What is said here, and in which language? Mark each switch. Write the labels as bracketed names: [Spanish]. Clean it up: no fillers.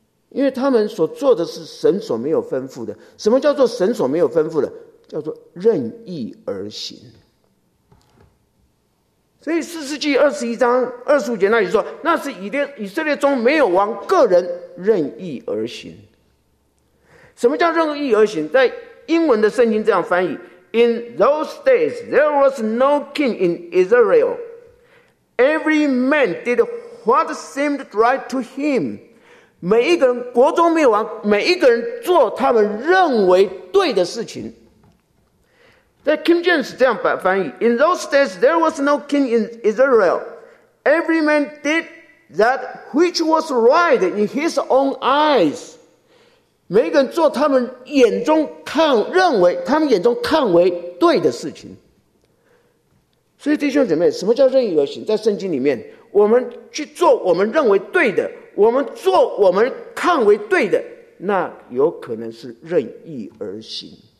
[Chinese] 因为他们所做的是神所没有吩咐的。什么叫做神所没有吩咐的？叫做任意而行。所以四世纪二十一章二十五节那里说，那是以色列中没有王，个人任意而行。什么叫任意而行？在英文的圣经这样翻译， [English] In those days there was no king in Israel. Every man did what seemed right to him. [Chinese] 每一个人，国中没有王，每一个人做他们认为对的事情。在 King James 这样翻译， [English] In those days there was no king in Israel. Every man did that which was right in his own eyes. [Chinese] 每个人做他们眼中看认为他们眼中看为对的事情。所以弟兄姐妹，什么叫任意而行？在圣经里面，我们去做我们认为对的，我们做我们看为对的，那有可能是任意而行。